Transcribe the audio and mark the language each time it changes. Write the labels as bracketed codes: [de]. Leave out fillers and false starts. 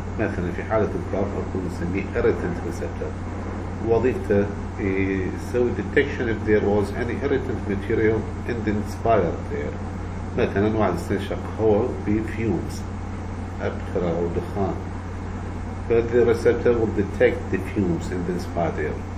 [ar] مثلا في حالة الكاف أكون نسميه irritant receptor. وظيفته يسوي [en] detection if there was any irritant material in the inspired air. [ar] مثلا أنواع الاستنشاق هو في fumes أبترة أو دخان. [en] But the receptor will detect the fumes in the inspired air.